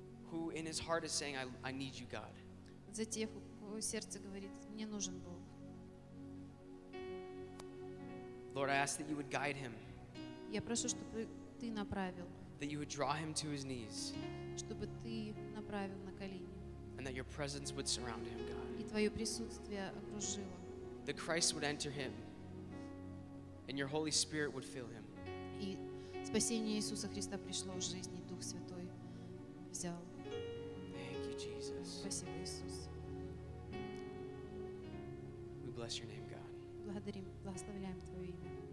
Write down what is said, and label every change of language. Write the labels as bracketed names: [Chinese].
[English] Who in his heart is saying, I need you, God. [Russian] За тех, у кого сердце говорит, мне нужен Бог. [English] Lord, I ask that you would guide him. [Russian] Я прошу, чтобы ты направил. [English] That you would draw him to his knees. [Russian] Чтобы ты направил на колени. [English] And that your presence would surround him, God. [Russian] И твое присутствие окружило. [English] That Christ would enter him. And your Holy Spirit would fill him. [Russian] И спасение Иисуса Христа пришло в жизни, Дух Святой взял. [English] Thank you, Jesus. [Russian] Спасибо, Иисус. [English] We bless your name, God. [Russian] Благодарим, благословляем Твое имя.